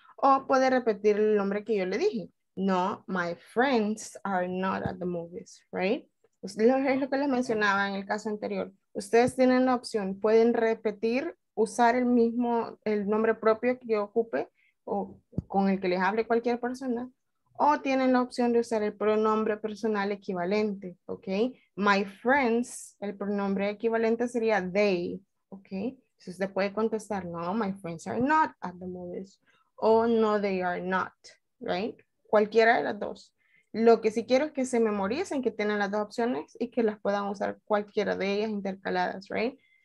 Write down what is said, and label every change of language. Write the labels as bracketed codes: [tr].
[es] O puede repetir el nombre que yo le dije. [en] No, my friends are not at the movies, right? [es] Es lo que les mencionaba en el caso anterior. Ustedes tienen la opción, pueden repetir, usar el mismo, el nombre propio que yo ocupe o con el que les hable cualquier persona, o tienen la opción de usar el pronombre personal equivalente, ¿ok? [en] My friends, [es] el pronombre equivalente sería they, ¿ok? Si usted puede contestar, [en] no, my friends are not at the movies, o no, they are not, right? [es] Cualquiera de las dos. Lo que sí quiero es que se memoricen que tienen las dos opciones y que las puedan usar cualquiera de ellas intercaladas, right?